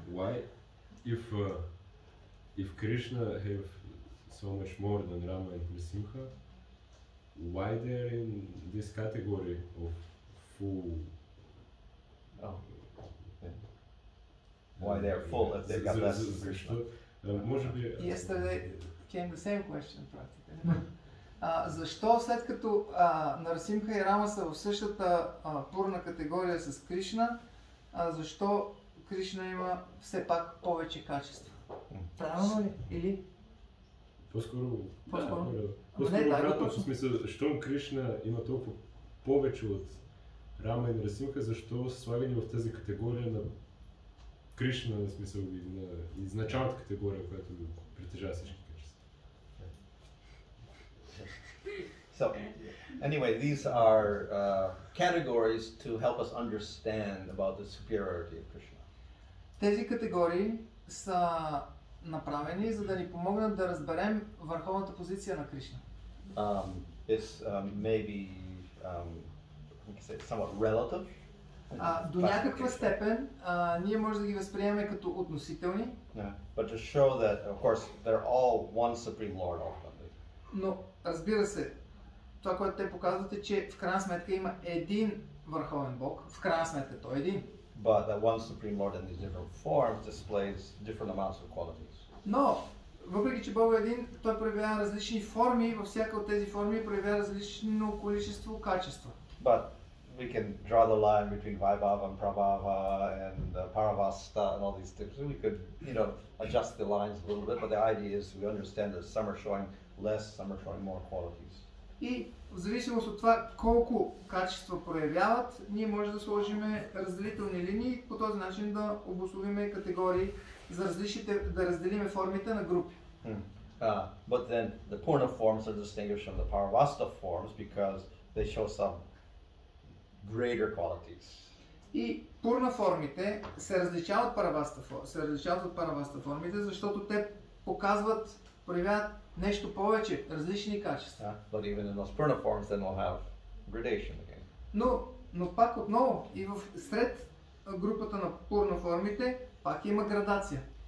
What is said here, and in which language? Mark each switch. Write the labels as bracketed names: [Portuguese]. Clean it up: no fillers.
[English] Why, if Krishna have so much more than Rama and Narsimha, why they're in this category of full? Oh. Yeah. Why they're full if they've got less than Krishna? Yesterday came the same question, practically. [Bulgarian] Защо след като Нарсимха и Рама са в същата пурна категория с Кришна, защо Кришна има все пак повече качества? Правилно ли? Или? По-скоро. По-скоро. В смисъл, защо Кришна има толкова повече от Рама и Нарсимха, защо са слагани в тази категория на Кришна, в смисъл, на изначалната категория, която притежава всички качества. [English] So, anyway, these are categories to help us understand about the superiority of Krishna. [Bulgarian] Тези категории са направени, за да ни помогнат да разберем върховната позиция на Кришна. [English] It's maybe, I can say, somewhat relative. [Bulgarian] До някаква степен ние може да ги възприемем като относителни. [English] Yeah. But to show that, of course, they're all one supreme lord ultimately. [Bulgarian] Но разбира се, това, което те показват, е, че в крайна сметка има един върховен бог. В крайна сметка той е един. [English] But that one supreme lord in these different forms displays different amounts of qualities. [Bulgarian] Но Въпреки че Бог е един, той проявява различни форми, във всяка от тези форми проявява различно количество качества. [English] But we can draw the line between Vaibhava and Prabhava and Paravasta and all these things. We could, you know, adjust the lines a little bit, but the idea is we understand that some are showing less, some are showing more qualities. [Bulgarian] И в зависимост от това колко качества проявяват, ние може да сложим разделителни линии, по този начин да обусловим категории за различните, да разделим формите на групи. [English] But then the Purna forms are distinguished from the Paravasta forms because they show some greater qualities. [Bulgarian] И Purna формите се различават от Paravasta, се различават от Paravasta формите, защото те показват, проявяват нещо повече, различни качества. [English] But even in those Purna forms, then we'll have gradation again. [Bulgarian] Но пак отново и в сред групата на Purna формите пак има градация.